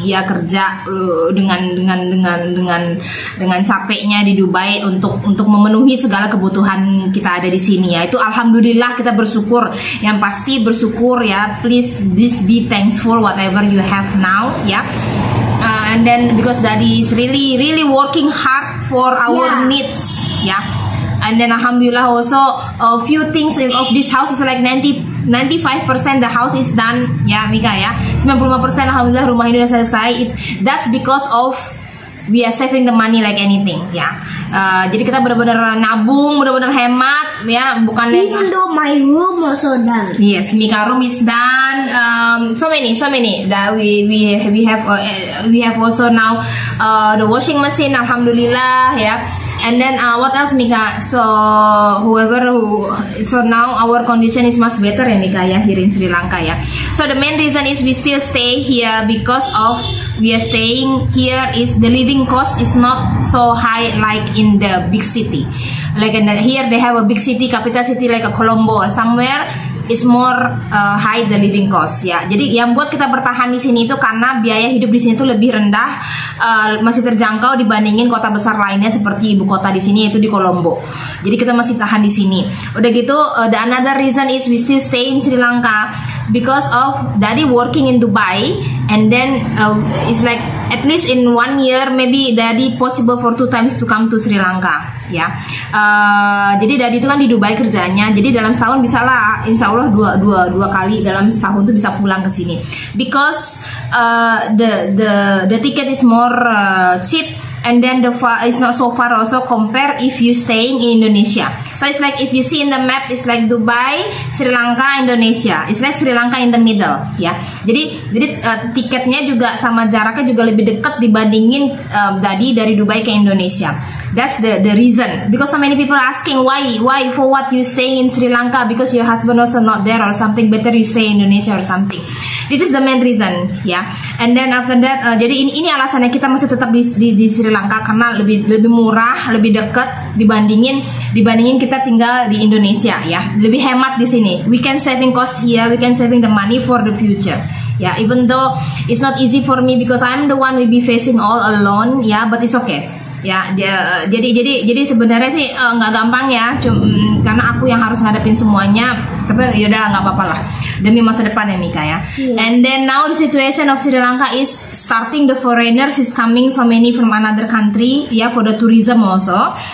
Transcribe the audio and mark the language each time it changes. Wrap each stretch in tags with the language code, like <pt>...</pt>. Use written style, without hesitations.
<id>Dia kerja dengan capeknya di Dubai untuk memenuhi segala kebutuhan kita ada di sini ya. Itu alhamdulillah kita bersyukur. Yang pasti bersyukur ya.</id> <en>Please this be thankful whatever you have now ya. And then because daddy is really really working hard for our needs ya. And then alhamdulillah also a few things of this house is like 95% the house is done ya Mika ya.</en> <id>95% alhamdulillah rumah ini sudah selesai.</id> <en>That's because of we are saving the money like anything ya.</en> <id>Jadi kita benar-benar nabung, benar-benar hemat ya, bukan</id> <en>even lena. Though my room also done. Yes, Mika room is done. So many that we have also now the washing machine alhamdulillah ya. And then what else Mika? So whoever who so now our condition is much better ya Mika ya here in Sri Lanka ya. So the main reason is we still stay here because of we are staying here is the living cost is not so high like in the big city. Like in the, here they have a big city, capital city like a Colombo or somewhere is more high the living cost ya.</en> <id>Jadi yang buat kita bertahan di sini itu karena biaya hidup di sini itu lebih rendah, masih terjangkau dibandingin kota besar lainnya seperti ibu kota di sini yaitu di Colombo. Jadi kita masih tahan di sini. Udah gitu</id> <en>the another reason is we still stay in Sri Lanka because of daddy working in Dubai and then it's like at least in one year maybe daddy possible for two times to come to Sri Lanka.</en> <id>Ya, jadi dari itu kan di Dubai kerjanya, jadi dalam setahun bisa lah, insya Allah dua kali dalam setahun tuh bisa pulang ke sini.</id> <en>Because the ticket is more cheap, and then the it's not so far also compare if you staying in Indonesia. So it's like if you see in the map, it's like Dubai, Sri Lanka, Indonesia. It's like Sri Lanka in the middle, ya.</en> <id>Jadi tiketnya juga sama jaraknya juga lebih dekat dibandingin tadi dari Dubai ke Indonesia.</id> <en>That's the reason because so many people asking why for what you stay in Sri Lanka because your husband also not there or something better you stay in Indonesia or something. This is the main reason, ya. Yeah. And then after that,</en> <id>jadi ini alasannya kita masih tetap di Sri Lanka karena lebih murah, lebih dekat dibandingin kita tinggal di Indonesia, ya. Yeah. Lebih hemat di sini.</id> <en>We can saving cost here, we can saving the money for the future. Ya, yeah. Even though it's not easy for me because I'm the one will be facing all alone, ya. Yeah, but it's okay.</en> <id>Ya, jadi sebenarnya sih nggak gampang ya, karena aku yang harus ngadepin semuanya. Tapi yaudah nggak apa-apa lah demi masa depan ya Mika ya. Yeah.</id> <en>And then now the situation of Sri Lanka is starting the foreigners is coming so many from another country ya yeah, for the tourism also.</en>